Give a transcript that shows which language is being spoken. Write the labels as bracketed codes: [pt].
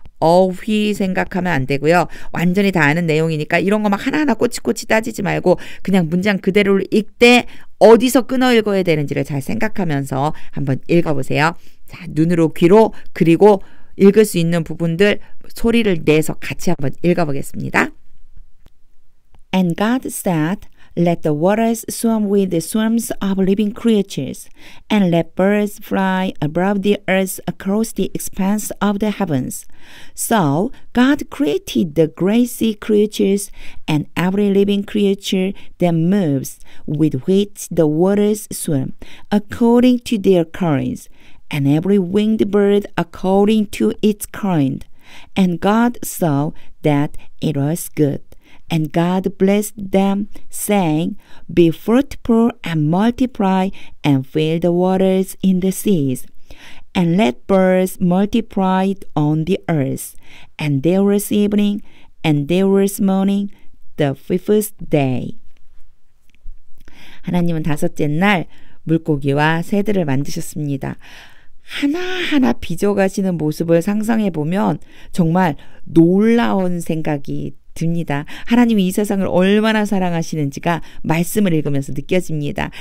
[ko] 어휘 생각하면 안 되고요. 완전히 다 아는 내용이니까 이런 거 막 하나하나 꼬치꼬치 따지지 말고 그냥 문장 그대로를 읽되 어디서 끊어 읽어야 되는지를 잘 생각하면서 한번 읽어보세요. 자, 눈으로 귀로 그리고 읽을 수 있는 부분들 소리를 내서 같이 한번 읽어보겠습니다. [en] And God said, Let the waters swarm with the swarms of living creatures, and let birds fly above the earth across the expanse of the heavens. So God created the great sea creatures and every living creature that moves with which the waters swim according to their kinds, and every winged bird according to its kind. And God saw that it was good. And God blessed them, saying, Be fruitful and multiply, and fill the waters in the seas. And let birds multiply on the earth. And there was evening, and there was morning, the fifth day. [ko] 하나님은 다섯째 날 물고기와 새들을 만드셨습니다. 하나하나 빚어가시는 모습을 상상해보면 정말 놀라운 생각이 듭니다. 하나님이 이 세상을 얼마나 사랑하시는지가 말씀을 읽으면서 느껴집니다.